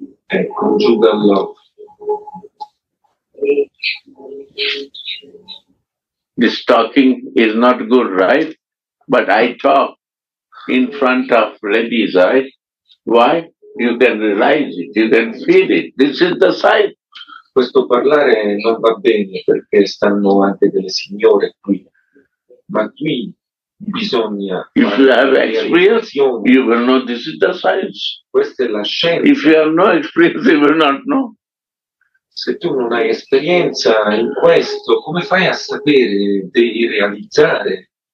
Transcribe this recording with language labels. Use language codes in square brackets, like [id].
[en] Conjugal love. This talking is not good, right? But I talk in front of ladies, right? Why? You can realize it, you can feel it. This is the sign. [it] Questo parlare non va bene perché stanno anche delle signore qui. Ma qui bisogna. [en] If you have experience, you will know this is the science. [it] Questa è la scienza. [en] If you have no experience, you will not know. [it] Se tu non hai esperienza in questo, come fai a sapere di realizzare?